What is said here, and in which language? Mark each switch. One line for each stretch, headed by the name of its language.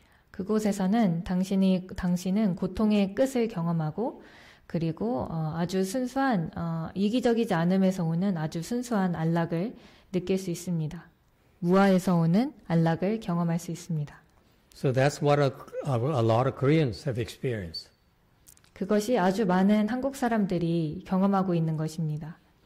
Korean: 그곳에서는 당신은 고통의 끝을 경험하고 그리고 아주 순수한 이기적이지 않음에서 오는 아주 순수한 안락을 느낄 수 있습니다. 무아에서 오는 안락을 경험할 수 있습니다.
English: So that's what a lot of Koreans have experienced.
Korean: 그것이 아주 많은 한국 사람들이 경험하고 있는 것입니다.